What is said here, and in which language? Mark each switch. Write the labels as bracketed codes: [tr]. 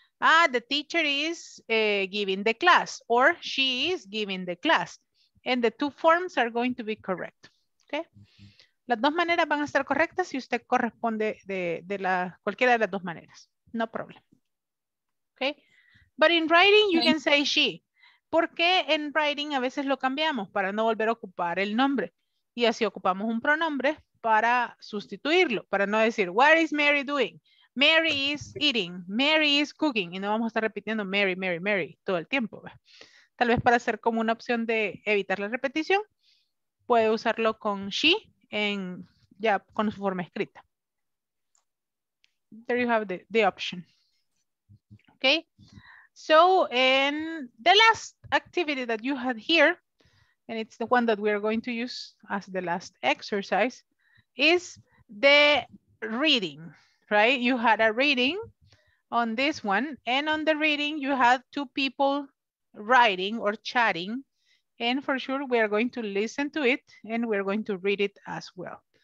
[en] Ah, the teacher is giving the class, or she is giving the class. And the two forms are going to be correct. Okay? [es] Las dos maneras van a estar correctas si usted corresponde de la, cualquiera de las dos maneras. [en] No problem. [es] Okay? [en] But in writing, you can say she. [es] ¿Por qué en writing a veces lo cambiamos? Para no volver a ocupar el nombre. Y así ocupamos un pronombre para sustituirlo, para no decir, [en] what is Mary doing? Mary is eating. Mary is cooking. [es] Y no vamos a estar repitiendo Mary, Mary, Mary todo el tiempo. Tal vez para hacer como una opción de evitar la repetición, puede usarlo con she en, ya con su forma escrita. [en] There you have the option. Okay. So, and the last activity that you had here, and it's the one that we are going to use as the last exercise, is the reading, right? You had a reading on this one, and on the reading, you had two people writing or chatting, and for sure, we are going to listen to it, and we're going to read it as well.